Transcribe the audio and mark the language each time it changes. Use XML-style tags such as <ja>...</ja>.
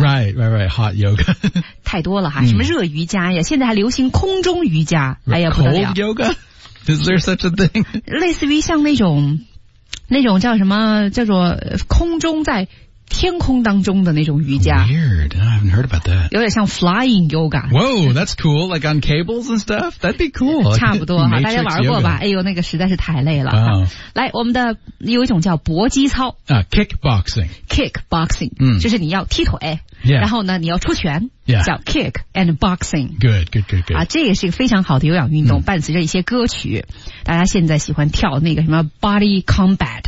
<en>Right, right, right, hot yoga</en> <zh>太多了哈、mm-hmm. 什么热瑜伽呀现在还流行空中瑜伽、</zh> <en>right.</en> <zh>哎呀不得了</zh> <en>Cold yoga? Is there such a thing?</en> <zh>类似于像那种叫什么叫做空中在天空当中的那种瑜伽</zh> <en>Weird, I haven't heard about that</en> <zh>有点像</zh> <en>flying yoga Whoa, that's cool, like on cables and stuff That'd be cool</en> <zh>差不多哈，大家玩过吧、</zh> <en>yoga.</en> <zh>哎呦那个实在是太累了、 oh. 来我们的有一种叫搏击操、</zh> <en>Kickboxing Kickboxing、 mm.</en> <zh>就是你要踢腿、</zh> <en>yeah.</en> <zh>然后呢你要出拳、</zh> <en>yeah.</en> <zh>叫</zh> <en>kick and boxing Good, good, good, good、</en> <zh>啊、这也是一个非常好的有氧运动、mm. 伴随着一些歌曲大家现在喜欢跳那个什么 body combat、</zh>